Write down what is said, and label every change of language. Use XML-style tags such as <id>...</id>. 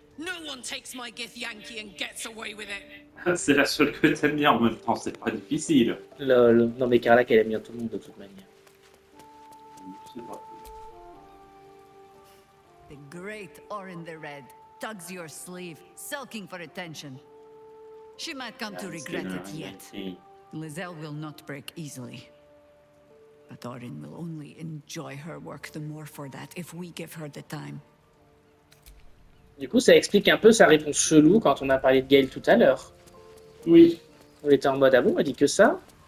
<en>No one takes my gith Yankee and gets away with it.</en> <fr>C'est la seule que t'aimes bien en même temps, c'est pas difficile. Lol. Non mais Carla, elle aime bien tout le monde de toute manière.</fr> <en>The great Orin the Red tugs your sleeve, sulking for attention. She might come to regret it yet. Lizelle will not break easily. But Orin will only enjoy her work the more for that if we give her the time.</en> <fr>Du coup, ça explique un peu sa réponse chelou quand on a parlé de Gale tout à l'heure. Oui. On était en mode, ah bon, elle dit que ça.</fr>